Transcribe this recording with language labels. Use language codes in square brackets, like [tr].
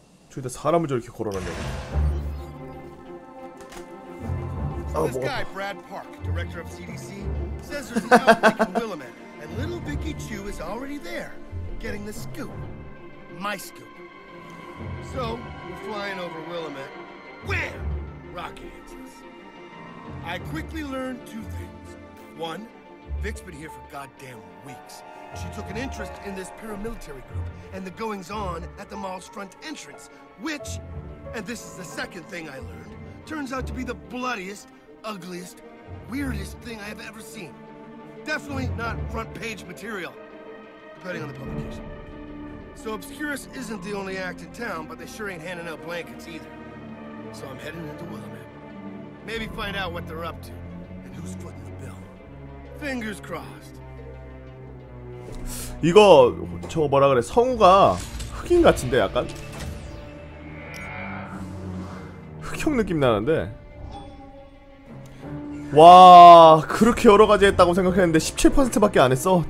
[ko] 저기다 사람을 저렇게 걸어놨네. [en] So this guy, Brad Park, director of CDC, says there's an outbreak in Willamette, and little Vicky Chu is already there, getting the scoop. My scoop. So, we're flying over Willamette. Wham! Rocket answers. I quickly learned two things. One, Vic's been here for goddamn weeks. She took an interest in this paramilitary group and the goings-on at the mall's front entrance, which, and this is the second thing I learned, turns out to be the bloodiest, ugliest, weirdest thing I have ever seen. Definitely not front page material, depending on the publication. So Obscurus isn't the only act in town, but they sure ain't handing out blankets either. So I'm heading into Willamette. Maybe find out what they're up to and who's footing the bill. Fingers crossed. [ko] 이거 저 뭐라 그래? 성우가 흑인 같은데 약간 흑형 느낌 나는데. 와, 그렇게 여러 가지 했다고 생각했는데 17%밖에 안 했어.